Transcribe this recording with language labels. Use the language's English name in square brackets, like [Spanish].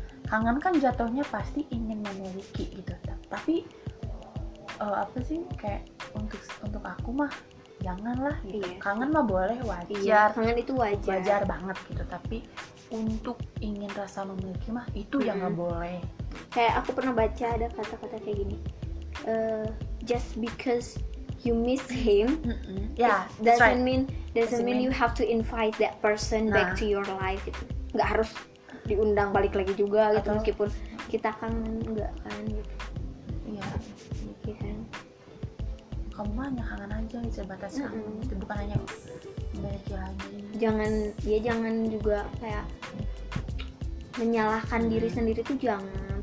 [Indonesian] Kangen kan jatuhnya pasti ingin memiliki gitu. Tapi apa sih, kayak untuk aku mah janganlah gitu. Iya. Kangen mah boleh, wajar. Iya, kangen itu wajar. Wajar banget gitu, tapi untuk ingin rasa memiliki mah itu yang enggak boleh. Kayak aku pernah baca ada kata-kata kayak gini. [English] Just because you miss him, doesn't mean you have to invite that person back to your life. [Indonesian] Gitu. Enggak harus diundang balik lagi juga gitu. Atau, meskipun kita kangen enggak kan gitu. Iya. Kamu mah hanya kangen aja, sebatas kangen. Itu bukan hanya memiliki lagi. Jangan juga kayak menyalahkan diri sendiri tuh jangan.